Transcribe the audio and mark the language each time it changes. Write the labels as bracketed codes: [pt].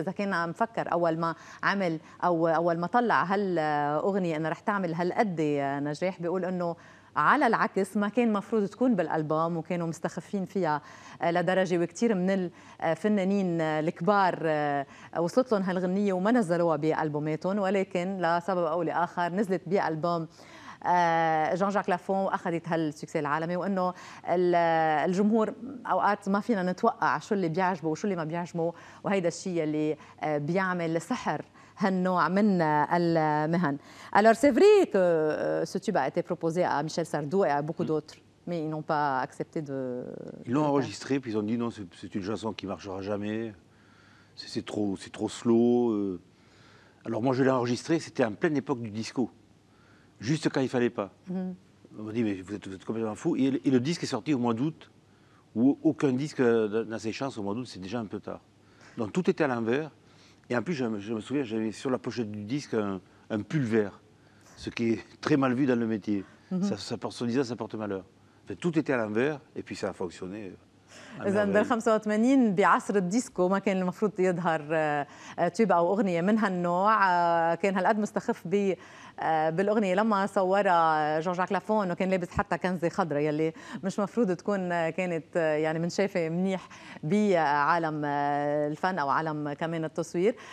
[ar] إذا كان عم فكر أول ما عمل أو أول ما طلع هالأغنية أنه رح تعمل هالقد نجاح، بيقول أنه على العكس ما كان مفروض تكون بالألبوم وكانوا مستخفين فيها لدرجة، وكتير من الفنانين الكبار وصلت لهم هالغنية وما نزلوها بألبوماتهم، ولكن لسبب أو لآخر نزلت بألبوم جون جاك لافون واخذت هالسكسي العالمي، وانه الجمهور اوقات ما فينا نتوقع شو اللي بيعجبه وشو اللي ما بيعجبه، وهيدا الشيء اللي بيعمل سحر هالنوع من المهن. [fr] Alors c'est vrai que ce tube a été proposé à Michel Sardou et à beaucoup d'autres, mais ils n'ont pas accepté de. Ils l'ont enregistré, puis ils ont dit non, c'est une chanson qui marchera jamais, c'est trop slow. Alors moi je l'ai enregistré, c'était en pleine époque du disco. Juste quand il ne fallait pas. Mm-hmm. On m'a dit, mais vous êtes complètement fou. Et le disque est sorti au mois d'août, où aucun disque n'a ses chances au mois d'août, c'est déjà un peu tard. Donc tout était à l'envers. Et en plus, je me souviens, j'avais sur la pochette du disque un pull vert, ce qui est très mal vu dans le métier. Mm-hmm. Ça porte malheur. Enfin, tout était à l'envers, et puis ça a fonctionné. [ar] إذا بال 85 بعصر الديسكو ما كان المفروض يظهر تيوب أو أغنية من هالنوع، كان هالقد مستخف بالأغنية لما صورها جون جاك لافون، وكان لابس حتى كنزة خضراء يلي مش مفروض تكون كانت يعني منشافة منيح بعالم الفن أو عالم كمان التصوير.